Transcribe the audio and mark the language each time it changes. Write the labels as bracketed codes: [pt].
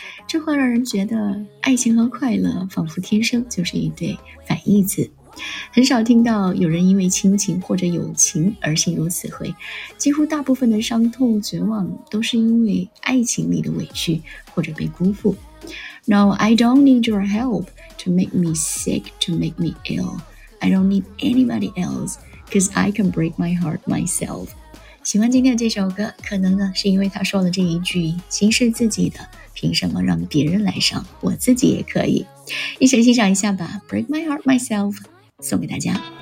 [zh] 这话让人觉得爱情和快乐仿佛天生就是一对反义词。很少听到有人因为亲情或者友情而心如死灰，几乎大部分的伤痛绝望都是因为爱情里的委屈或者被辜负。 [en] No, I don't need your help to make me sick, to make me ill. I don't need anybody else, cause I can break my heart myself. [zh] 喜欢今天的这首歌，可能呢是因为他说了这一句，心是自己的，凭什么让别人来伤，我自己也可以。一起欣赏一下吧， Break My Heart Myself送给大家。